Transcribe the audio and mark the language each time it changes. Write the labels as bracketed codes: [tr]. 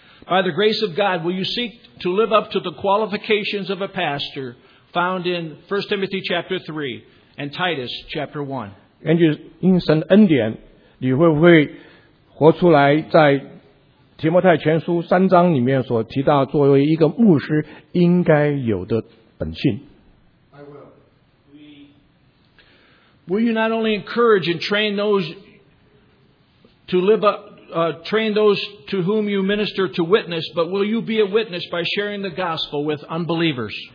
[en] By the grace of God, will you seek to live up to the qualifications of a pastor found in 1 Timothy chapter 3 and Titus chapter 1? [zh] 根据因神恩典，你会不会活出来在提摩太前书3章里面所提到作为一个牧师应该有的本性？ [en] I will. Will you not only encourage and train those to live train those to whom you minister to witness, but will you be a witness by sharing the gospel with unbelievers?